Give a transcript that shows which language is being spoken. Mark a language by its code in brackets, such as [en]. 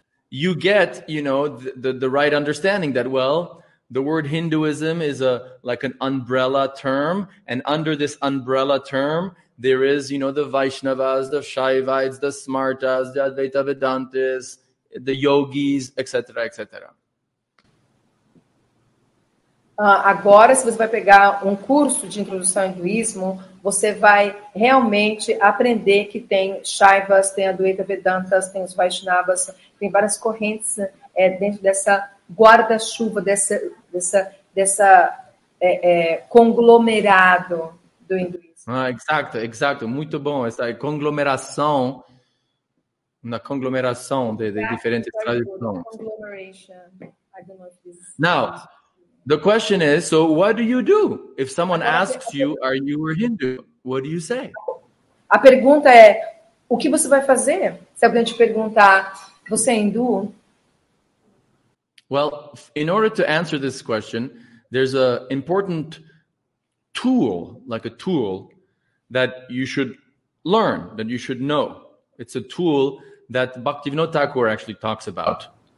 [en] you get, you know, the right understanding that, well, the word Hinduism is a like an umbrella term, and under this umbrella term, there is, you know, the Vaishnavas, the Shaivites, the Smartas, the Advaita Vedantis, the Yogis, etc., etc. [pt] Agora, se você vai pegar curso de introdução ao hinduísmo, você vai realmente aprender que tem Shaivas, tem Advaita Vedantas, tem os Vaishnavas, tem várias correntes dentro dessa guarda-chuva, dessa conglomerado do hinduísmo. Ah, exato, muito bom. Essa conglomeração, uma conglomeração de diferentes tradições. [en] Conglomeration. Now, the question is, so what do you do? If someone asks you, are you a Hindu? What do you say? [pt] A pergunta é, o que você vai fazer? Se alguém te perguntar, você é hindu? [en] Well, in order to answer this question, there's an important tool, like a tool, that you should learn, that you should know. It's a tool that Bhaktivinoda Thakur actually talks about.